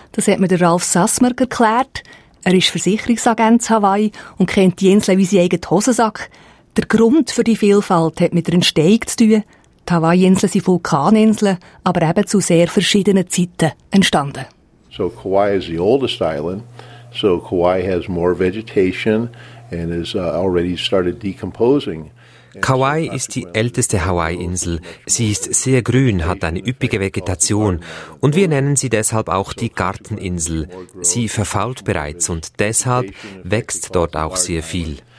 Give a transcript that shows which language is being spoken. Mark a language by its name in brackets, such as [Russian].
[German] Das hat mir der Ralf Sassmer erklärt. Er ist Versicherungsagent in Hawaii und kennt die Inseln wie seinen eigenen Hosensack. Der Grund für die Vielfalt hat mit der Entstehung zu tun. Die Hawaii-Inseln sind Vulkaninseln, aber eben zu sehr verschiedenen Zeiten entstanden. [English] So Kauai is the oldest island. So Kauai has more vegetation and is already started decomposing. [German] Kauai ist die älteste Hawaii-Insel. Sie ist sehr grün, hat eine üppige Vegetation. Und wir nennen sie deshalb auch die Garteninsel. Sie verfault bereits und deshalb wächst dort auch sehr viel.